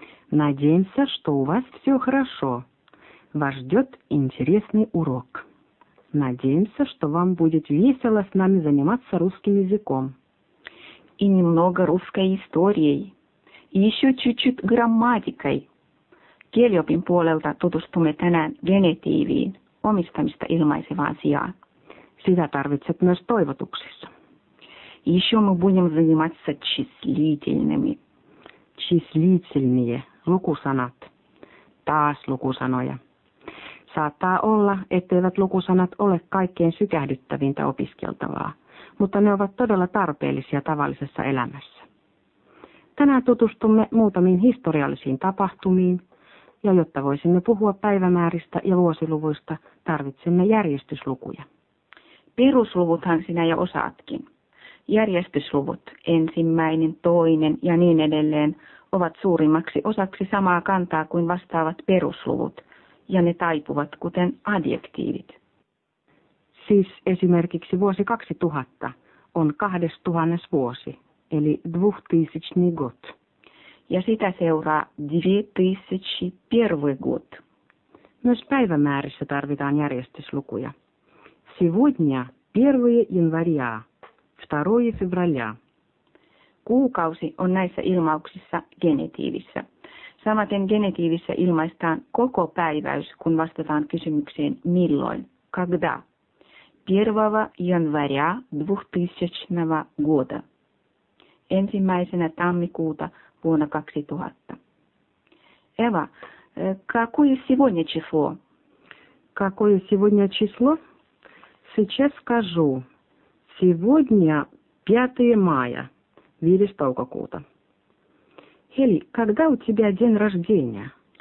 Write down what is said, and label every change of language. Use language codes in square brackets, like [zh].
[ru] Надеемся, что у вас все хорошо. Вас ждет интересный урок. Надеемся, что вам будет весело с нами заниматься русским языком. И немного русской историей. И еще чуть-чуть грамматикой. [fi] Kieliopin puolelta tutustumme tänään genetiiviin, omistamista ilmaisevaan sijaan. Sitä tarvitset myös toivotuksissa. [ru] Еще мы будем заниматься числительными. [fi] Числительные, lukusanat. Taas lukusanoja. Saattaa olla, etteivät lukusanat ole kaikkein sykähdyttävintä opiskeltavaa, mutta ne ovat todella tarpeellisia tavallisessa elämässä. Tänään tutustumme muutamiin historiallisiin tapahtumiin, ja jotta voisimme puhua päivämääristä ja vuosiluvuista, tarvitsemme järjestyslukuja. Perusluvuthan sinä jo osaatkin. Järjestysluvut, ensimmäinen, toinen ja niin edelleen, ovat suurimmaksi osaksi samaa kantaa kuin vastaavat perusluvut, ja ne taipuvat kuten adjektiivit. Siis esimerkiksi vuosi 2000 on 2000. vuosi, eli 2000. год. Ja sitä seuraa 2001. год. Myös päivämäärissä tarvitaan järjestyslukuja. [ru] Сегодня 1 января, 2 февраля. [fi] Kuukausi on näissä ilmauksissa genitiivissä. Samaten genitiivissä ilmaistaan koko päiväys, kun vastataan kysymykseen milloin, когда. [ru] 1 января 2000 года. [fi] Ensimmäisenä tammikuuta vuonna 2000. [ru] Eva, какое сегодня число? Какое сегодня число? Сейчас скажу. Сегодня 5 мая, [fi] 5 toukokuuta. [ru] Eli, когда у тебя день рождения?